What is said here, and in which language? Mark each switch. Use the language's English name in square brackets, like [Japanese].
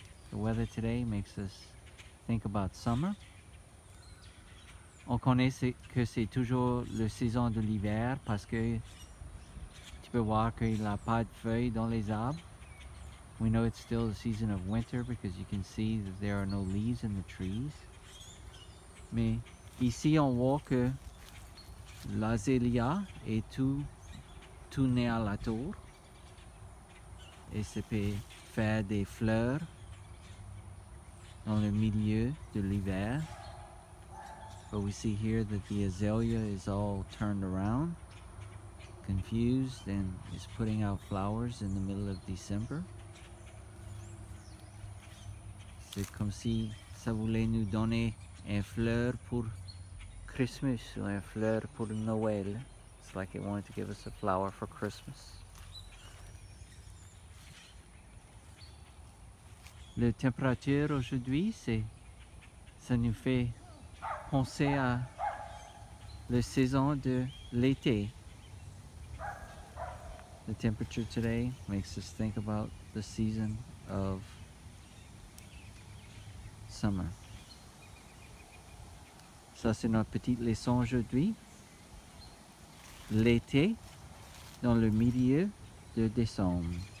[English] The weather today makes us think about summer. [French] On connaît que c'est toujours la saison de l'hiver parce que tu peux voir qu'il n'y a pas de feuilles dans les arbres. [English] We know it's still the season of winter because you can see that there are no leaves in the trees. [French] Mais ici on voit que l'azélia est tout né à la tour. Et ça peut faire des fleurs dans le milieu de l'hiver. [English] But we see here that the azalea is all turned around, confused, and is putting out flowers in the middle of December. [French] C'est comme si ça voulait nous donner un fleur pour Christmas ou un fleur pour Noël. [English] It's like it wanted to give us a flower for Christmas. [French] La température aujourd'hui, ça nous fait penser à la saison de l'été. [English] The temperature today makes us think about the season of summer. [French] Ça, c'est notre petite leçon aujourd'hui. L'été dans le milieu de décembre.